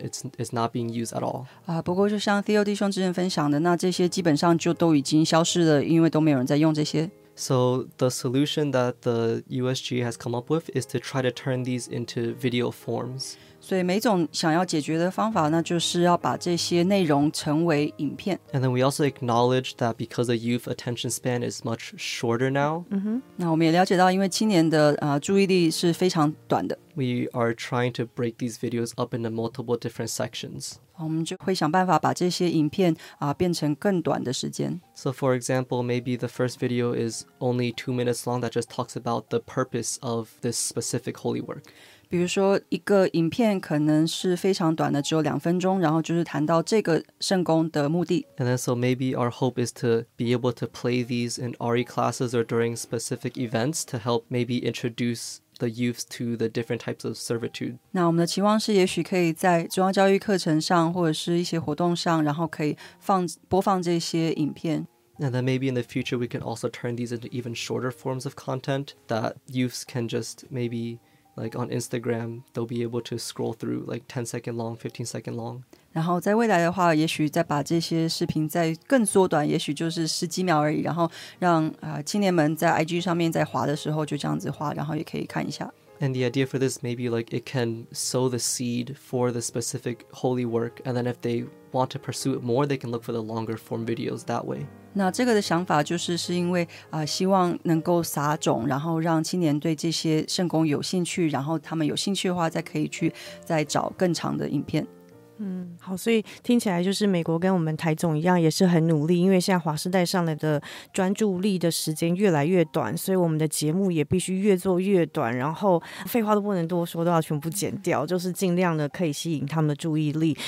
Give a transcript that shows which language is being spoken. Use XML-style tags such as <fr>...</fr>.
<en>It's not being used at all.</en> <zh>不过就像 Theo 弟兄之前分享的，那这些基本上就都已经消失了，因为都没有人在用这些。</zh> <en>So the solution that the USG has come up with is to try to turn these into video forms.</en> <zh>所以每种想要解决的方法，那就是要把这些内容成为影片。</zh> <en>And then we also acknowledge that because the youth attention span is much shorter now.</en> <zh>那我们也了解到，因为青年的注意力是非常短的。</zh> <en>We are trying to break these videos up into multiple different sections.</en> <zh>我们就会想办法把这些影片变成更短的时间。</zh> <en>So for example, maybe the first video is only 2 minutes long that just talks about the purpose of this specific holy work.</en> <zh>比如说一个影片可能是非常短的，只有2分钟，然后就是谈到这个圣工的目的。</zh> <en>And then so maybe our hope is to be able to play these in RE classes or during specific events to help maybe introduce the youth to the different types of servitude.</en> <zh>那我们的期望是也许可以在中央教育课程上或者是一些活动上，然后可以播放这些影片。</zh> <en>And then maybe in the future we can also turn these into even shorter forms of content that youths can just maybe like on Instagram they'll be able to scroll through like 10 second long, 15 second long.</en> <zh>然后在未来的话也许再把这些视频再更缩短，也许就是十几秒而已，然后让青年们在 IG 上面在滑的时候就这样子滑，然后也可以看一下。</zh> <en>And the idea for this maybe like it can sow the seed for the specific holy work and then if they want to pursue it more they can look for the longer form videos that way.</en> <zh>那这个的想法就是因为希望能够撒种，然后让青年对这些圣工有兴趣，然后他们有兴趣的话再可以去再找更长的影片。好，所以听起来就是美国跟我们台总一样也是很努力，因为现在华世代上来的专注力的时间越来越短，所以我们的节目也必须越做越短，然后废话都不能多说，都要全部剪掉，就是尽量的可以吸引他们的注意力。</zh>